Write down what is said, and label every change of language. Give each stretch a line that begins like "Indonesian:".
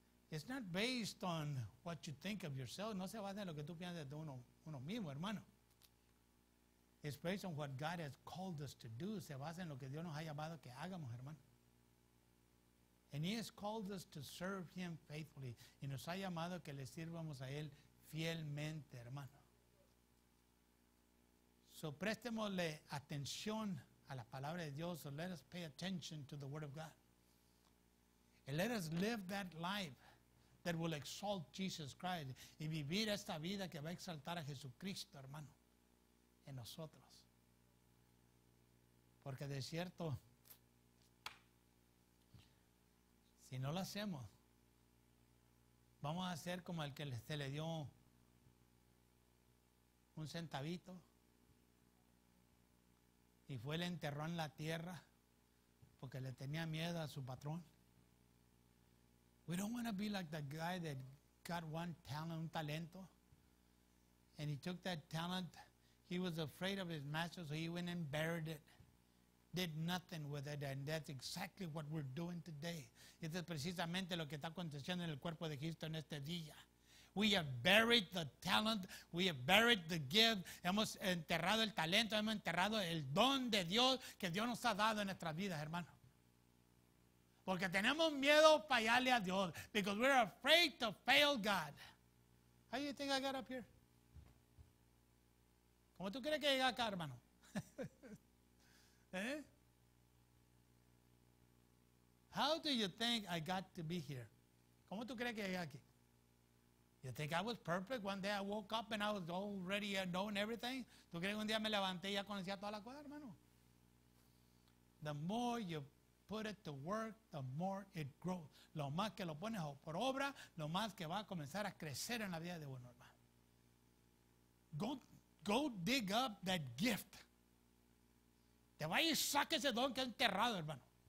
English: It's not based on what you think of yourself.
Spanish: No se basa en lo que tú piensas de uno mismo, hermano.
English: It's based on what God has called us to do.
Spanish: Se basa en lo que Dios nos ha llamado que hagamos, hermano.
English: And he has called us to serve him faithfully.
Spanish: Y nos ha llamado que le sirvamos a él fielmente, hermano. So prestémosle atención a la palabra de Dios.
English: So let us pay attention to the word of God. And let us live that life that will exalt Jesus Christ.
Spanish: Y vivir esta vida que va a exaltar a Jesucristo, hermano, en nosotros. Porque de cierto, si no lo hacemos, vamos a ser como el que se le dio un centavito y fue, le enterró en la tierra porque le tenía miedo a su patrón.
English: We don't want to be like the guy that got one talent, un talento, and he took that talent. He was afraid of his master, so he went and buried it. Did nothing with it, and that's exactly what we're doing today.
Spanish: Esto es precisamente lo que está aconteciendo en el cuerpo de Cristo en este día.
English: We have buried the talent, we have buried the gift,
Spanish: hemos enterrado el talento, hemos enterrado el don de Dios que Dios nos ha dado en nuestras vidas, hermano. Porque tenemos miedo a fallarle a Dios,
English: because we're afraid to fail God. How do you think I got up here?
Spanish: ¿Cómo tú crees que llegué acá, hermano? ¿Eh?
English: How do you think I got to be here?
Spanish: ¿Cómo tú crees que llegué aquí?
English: You think I was perfect? One day I woke up and I was already knowing everything.
Spanish: ¿Tú crees que un día me levanté y ya conocía toda la cosa, hermano?
English: The more you put it to work, the more it grows.
Spanish: Lo más que lo pones por obra, lo más que va a comenzar a crecer en la vida de uno, hermano.
English: Go dig up that gift.
Spanish: Te va y saque ese don que ha enterrado, hermano.